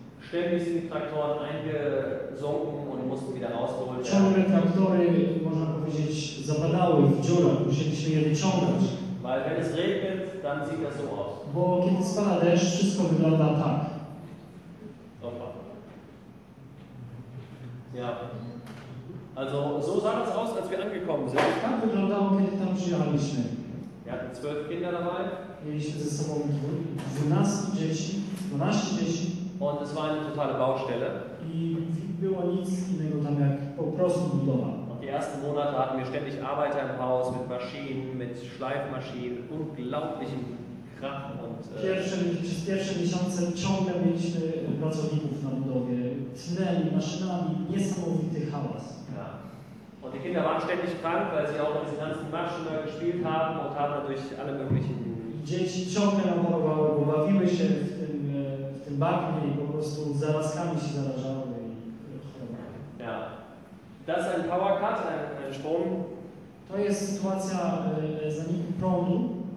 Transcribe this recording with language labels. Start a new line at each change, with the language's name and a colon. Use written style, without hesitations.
German: Ständig sind die Traktoren eingesunken und mussten wieder rausgeholt werden.
Polish: Ciągle traktory, można powiedzieć, zapadały w dziurach, musieliśmy je wyciągać.
German: Weil wenn es regnet, dann sieht das so aus.
Polish: Bo kiedy spada deszcz, wszystko wygląda tak.
German: Ja. Also so sah es aus, als wir angekommen sind.
Polish: Tak wyglądało, kiedy tam przyjechaliśmy.
German: Wir hatten 12 Kinder dabei.
Polish: Mieliśmy ze sobą 12 dzieci.
German: Und es war eine totale Baustelle.
Polish: I było nic innego tam jak po prostu budowa.
German: Und die ersten Monate hatten wir ständig Arbeiter im Haus mit Maschinen, mit Schleifmaschinen, unglaublichen Krach und...
Polish: Pierwsze miesiące ciągle mieliśmy pracowników na budowie, tnęli maszynami, niesamowity hałas.
German: Ja. Und die Kinder waren ständig krank, weil sie auch diese ganzen Maschen gespielt haben und haben dadurch alle möglichen...
Polish: Dzieci ciągle nam chorowały, bo bawiły się w tym bagnie i po prostu zarazkami się zarażały.
German: Ja. Das ist ein Power Cut, ein Strom.
Polish: To jest sytuacja zaniku prądu.